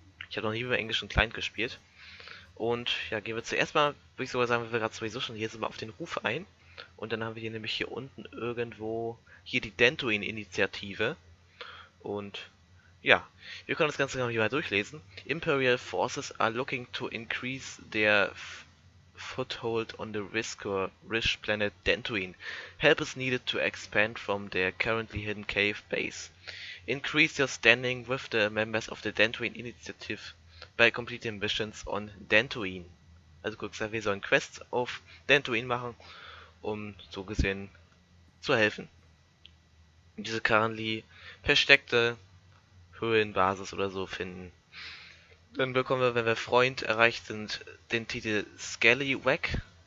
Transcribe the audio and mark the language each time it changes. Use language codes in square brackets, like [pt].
[de] Ich habe noch nie mit dem englischen Client gespielt. Und ja, gehen wir zuerst mal, würde ich sogar sagen, wir sind gerade sowieso schon hier, sind wir auf den Ruf ein. Und dann haben wir hier nämlich hier unten irgendwo hier die Dantooine-Initiative. Und ja, wir können das Ganze noch hier mal durchlesen. [en] Imperial Forces are looking to increase their foothold on the Riskor-rich planet Dantooine. Help is needed to expand from their currently hidden cave base. Increase your standing with the members of the Dantooine Initiative by completing missions on Dantooine. [de] Also kurz gesagt, wir sollen Quests auf Dantooine machen, um so gesehen zu helfen. Diese currently versteckte Höhlenbasis oder so finden. Dann bekommen wir, wenn wir Freund erreicht sind, den Titel Scallywag.